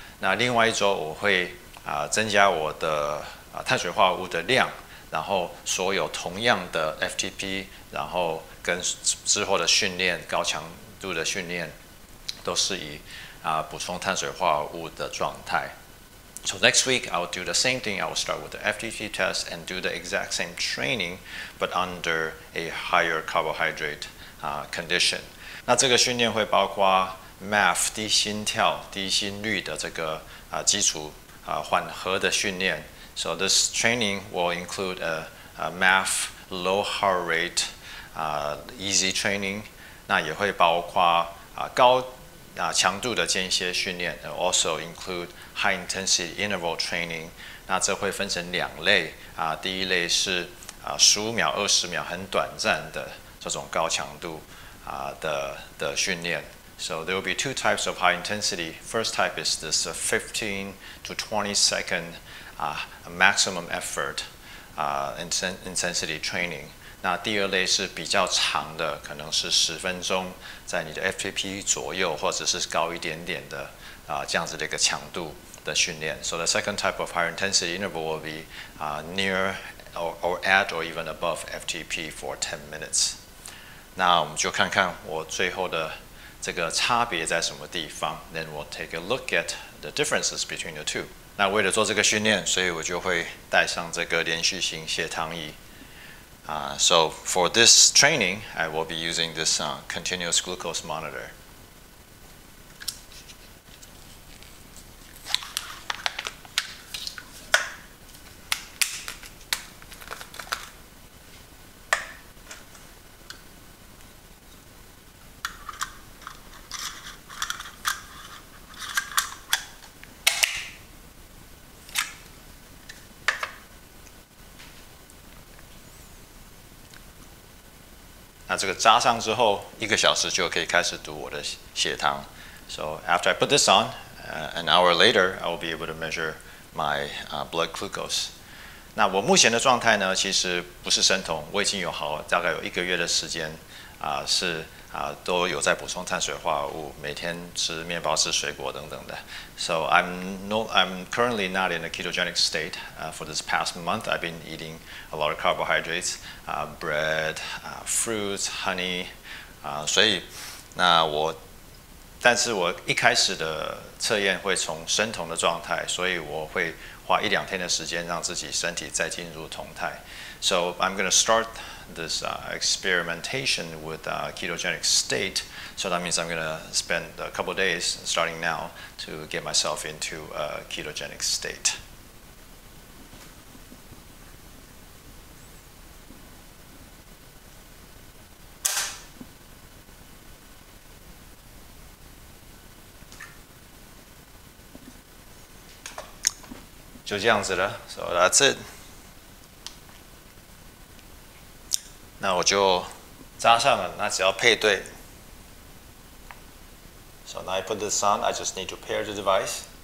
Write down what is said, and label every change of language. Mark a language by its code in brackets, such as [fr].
[zh] 那另外一周我会增加我的碳水化合物的量，然后所有同样的 FTP, 然后跟之后的训练高强度的训练都是以补充碳水化合物的状态。 [en] So next week I will do the same thing. I will start with the FTP test and do the exact same training, but under a higher carbohydrate condition. [zh] 那这个训练会包括MAF 低心跳、低心率的这个基础缓和的训练。 [en] So this training will include a MAF low heart rate easy training. [zh] 那也会包括高强度的间歇训练 ， [en] also include high intensity interval training. [zh] 那这会分成两类第一类是15秒、20秒很短暂的这种高强度的训练。 [en] So there will be two types of high intensity. First type is this 15 to 20 second maximum effort intensity training. [zh] 那第二类是比较长的，可能是10分钟在你的 FTP 左右或者是高一点点的这样子的一个强度的训练。 [en] So the second type of high intensity interval will be near or at or even above FTP for 10 minutes. [zh] 那我们就看看我最后的这个差别在什么地方 ？ [en] Then we'll take a look at the differences between the two. [zh] 那为了做这个训练，所以我就会带上这个连续型血糖仪。 [en] So for this training, I will be using this continuous glucose monitor. [zh] 那这个扎上之后，一个小时就可以开始读我的血糖。 [en] So after I put this on, an hour later, I will be able to measure my blood glucose. [zh] 那我目前的状态呢，其实不是生酮，我已经有好大概有一个月的时间，都有在补充碳水化合物，每天吃面包、吃水果等等的。 [en] So I'm currently not in a ketogenic state. For this past month, I've been eating a lot of carbohydrates, bread, fruits, honey. [zh] 所以那我，但是我一开始的测验会从生酮的状态，所以我会花一两天的时间让自己身体再进入酮态。 [en] So I'm going to start this experimentation with a ketogenic state. So that means I'm going to spend a couple days starting now to get myself into a ketogenic state. So that's it. [zh] 那我就扎上了，那只要配对。 [en] So now I put this on, I just need to pair the device.